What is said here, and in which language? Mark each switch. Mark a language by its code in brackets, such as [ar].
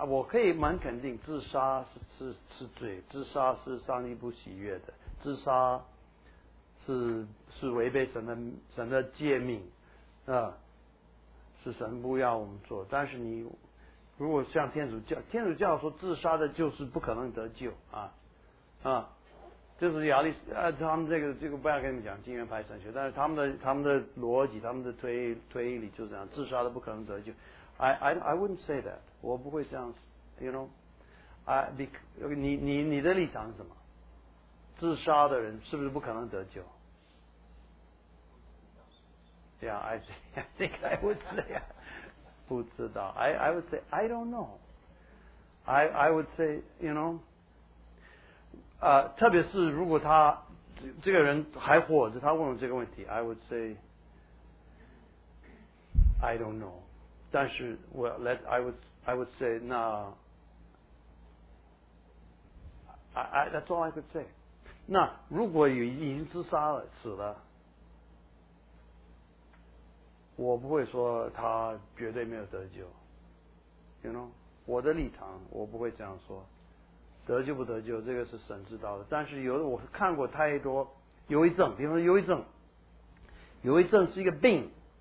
[zh] 我可以蛮肯定，自杀是罪，自杀是上帝不喜悦的，自杀是违背神的诫命，是神不要我们做，但是你如果像天主教说自杀的就是不可能得救啊，就是亚历啊，他们这个不要跟你们讲经验派神学，但是他们的逻辑，他们的推理就是这样，自杀的不可能得救。 I wouldn't say that，我不会这样 ， you know，你的立场是什么？自杀的人是不是不可能得救？ [en] Yeah, I think I would say, 不知道 I would say I don't know. I would say you know. [zh] 特别是如果他这个人还活着，他问我这个问题 ， I would say I don't know。 [en] 但是我 I would say 那 I that's all I could say。 [zh] 那如果已经自杀了死了，我不会说他绝对没有得救 ， you know，我的立场我不会这样说。得救不得救，这个是神知道的。但是有的我看过太多，忧郁症，比方说忧郁症，忧郁症是一个病。